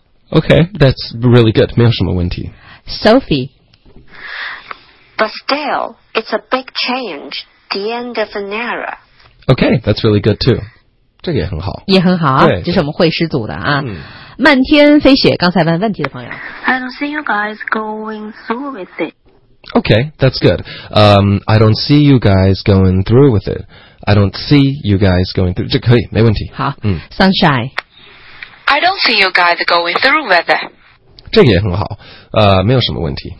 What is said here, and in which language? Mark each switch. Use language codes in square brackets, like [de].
[en] Okay, that's really good. [zh] 没有什么问题。 [en] Sophie. But still, it's a big change. The end of an era. Okay, that's really good too. [zh] 这个也很好，也很好，这是我们会师组的啊、嗯。漫天飞雪，刚才问问题的朋友。 [en] I don't see you guys going through with it. Okay, that's good. I don't see you guys going through with it. I don't see you guys going through. [zh] 这可以，没问题。好，嗯。 [en] Sunshine. I don't see you guys going through with it. [zh] 这个也很好，没有什么问题。